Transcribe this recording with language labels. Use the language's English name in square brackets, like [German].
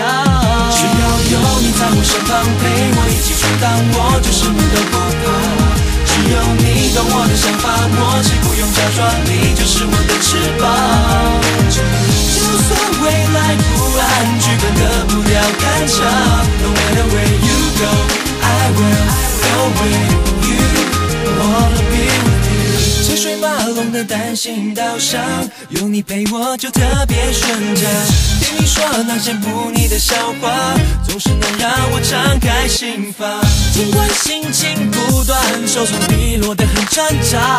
[Chinese] 只要有你在我身旁陪我一起阻挡，我就什么都不怕。只有你懂我的想法，默契不用假装，你就是我的翅膀。就算未来不安，剧本的不了感想。 [English] No matter where you go, I will go with you, wanna be with you。 [Chinese] 车水马龙的单行道上，有你陪我就特别顺着。听你说那些不腻的笑话，总是能让我敞开心房。尽管心情不断受挫，低落得很挣扎。